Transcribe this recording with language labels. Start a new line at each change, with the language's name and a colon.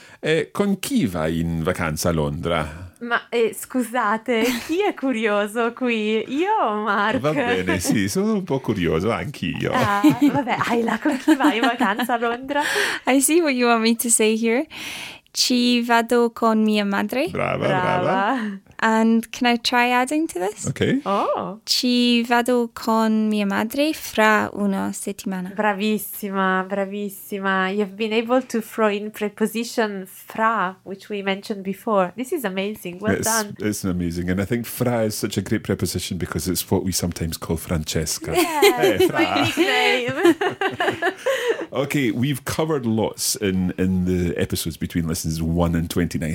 Italian: E con chi vai in vacanza a Londra? Ma scusate, chi è curioso qui? Io o Mark? Va bene, sì, sono un po' curioso anch'io. Vabbè, Ayla, con chi vai in vacanza a Londra?
English: I see what you want me to say here.
Italian: Ci vado con mia madre. Brava.
English: And can I try adding to this? Okay. Oh.
Italian: Ci vado con mia madre fra una settimana. Bravissima.
English: You've been able to throw in preposition fra, which we mentioned before. This is amazing. Well done. It's amazing. And I think fra is such a great preposition because it's what we sometimes call Francesca. Yeah, hey, fra. My nickname. Okay, we've covered lots in the episodes between lessons 1 and 29.